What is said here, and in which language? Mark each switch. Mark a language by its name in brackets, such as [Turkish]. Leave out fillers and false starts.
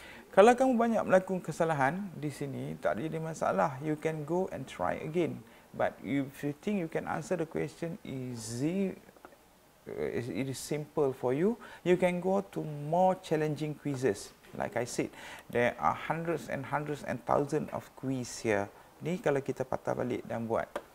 [Malay] Kalau kamu banyak melakukan kesalahan di sini, tak ada jadi masalah. [English] You can go and try again. But if you think you can answer the question easy, it is simple for you, you can go to more challenging quizzes. Like I said, there are hundreds and hundreds and thousands of quiz here. [Malay] Ni kalau kita patah balik dan buat.